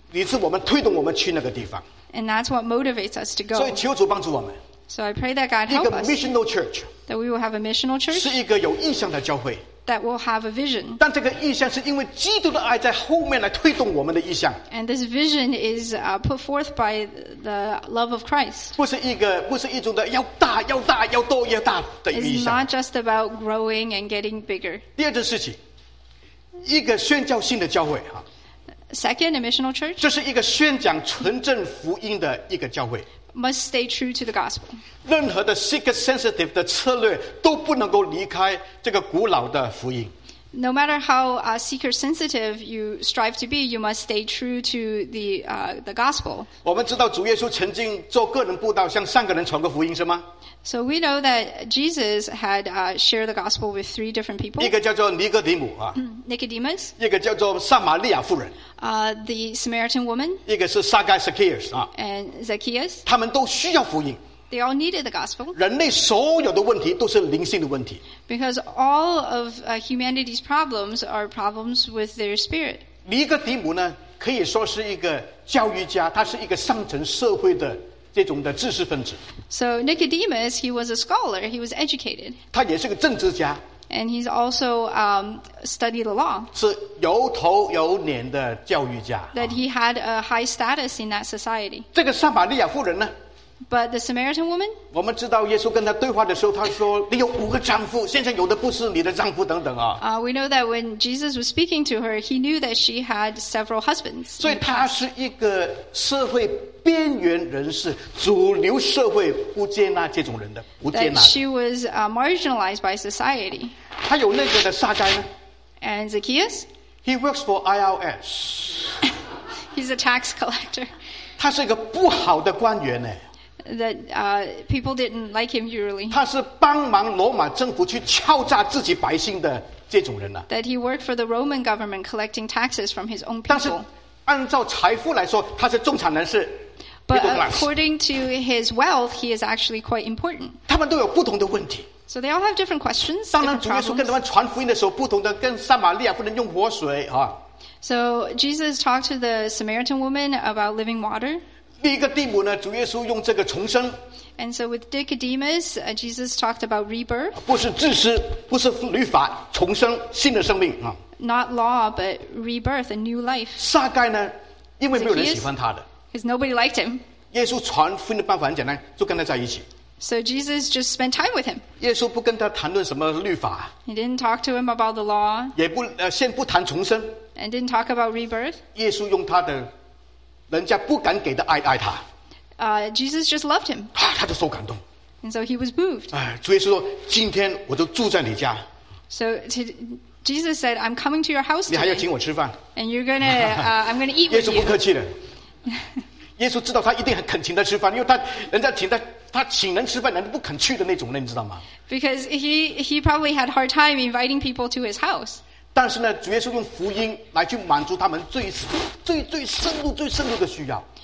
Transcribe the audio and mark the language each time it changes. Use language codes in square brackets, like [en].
[zh] 你是我们推动我们去那个地方。 [en] And that's what motivates us to go. [zh] 所以求主帮助我们。 [en] So I pray that God help us. [zh] 一个 missional church. [en] That we will have a missional church. [zh] 是一个有意向的教会。 [en] That will have a vision. [zh] 但这个意向是因为基督的爱在后面来推动我们的意向。 [en] And this vision is put forth by the love of Christ. [zh] 不是一种的要大要大要多要大的意向。 [en] It's not just about growing and getting bigger. [zh] 第二件事情，一个宣教性的教会啊。 [en] Second, a missional church. [zh] 这是一个宣讲纯正福音的一个教会。 [en] Must stay true to the gospel. [zh] 任何的 seeker sensitive 的策略都不能够离开这个古老的福音。 [en] No matter how seeker sensitive you strive to be, you must stay true to the gospel. [zh] 我们知道主耶稣曾经做个人布道，向三个人传过福音，是吗？ [en] So we know that Jesus had shared the gospel with three different people. [zh] 一个叫做尼哥底母啊 [en] ，Nicodemus. [zh] 一个叫做撒玛利亚妇人。 [en] The Samaritan woman. [zh] 一个是撒该 Zacchaeus 啊 [en] ，And Zacchaeus. [zh] 他们都需要福音。 [en] They all needed the gospel. [zh] 人类所有的问题都是灵性的问题。 [en] Because all of humanity's problems are problems with their spirit. [zh] 尼哥底母呢，可以说是一个教育家，他是一个上层社会的这种的知识分子。 [en] So Nicodemus, he was a scholar. He was educated. [zh] 他也是个政治家。 [en] And he's also studied the law. [zh] 是有头有脸的教育家。 [en] That he had a high status in that society. [zh] 这个撒玛利亚妇人呢？ [en] But the Samaritan woman? [zh] 我们知道耶稣跟他对话的时候，他说：“你有五个丈夫，现在有的不是你的丈夫，等等啊。” [en] We know that when Jesus was speaking to her, he knew that she had several husbands. [zh] 所以她是一个社会边缘人士，主流社会不接纳这种人的，不接纳。 [en] That she was marginalized by society. [zh] 他有那个的撒该呢 [en] ？And Zacchaeus? He works for IRS. He's a tax collector. [zh] 他是一个不好的官员呢。 [en] That people didn't like him usually. [zh] 他是帮忙罗马政府去敲诈自己百姓的这种人呢、啊。 [en] That he worked for the Roman government collecting taxes from his own people. [zh] 但是按照财富来说，他是中产人士。 [en] But according to his wealth, he is actually quite important. [zh] 他们都有不同的问题。 [en] So they all have different questions. [zh] 当然，主耶稣跟他们传福音的时候，不同的跟撒玛利亚妇人用活水啊。 [en] So Jesus talked to the Samaritan woman about living water. [zh] 第一个地母呢，主耶稣用这个重生。 [en] And so with Nicodemus, Jesus talked about rebirth. [zh] 不是自私，不是律法，重生新的生命啊。 [en] Not law, but rebirth, a new life. [zh] 撒该呢，因为没有人喜欢他的。 [en] Because nobody liked him. [zh] 耶稣传福音的办法很简单，就跟他在一起。 [en] So Jesus just spent time with him. [zh] 耶稣不跟他谈论什么律法。 [en] He didn't talk to him about the law. [zh] 也不先不谈重生。 [en] And didn't talk about rebirth. [zh] 耶稣用他的。人家不敢给的爱爱他。 [en] Jesus just loved him. [zh] 啊，他就受感动。 [en] And so he was moved. [zh] 哎，主耶稣说：“今天我就住在你家。” [en] So Jesus said, "I'm coming to your house." [zh] 你还要请我吃饭 [en] ？And you're gonna, I'm gonna eat with you. [zh] 耶稣不客气的。耶稣知道他一定很肯请他吃饭，因为他人家请他，他请人吃饭，人家不肯去的那种人，你知道吗 [en] ？Because he probably had hard time inviting people to his house. [zh] 但是呢，主耶稣用福音来去满足他们最最最深入、最深入的需要。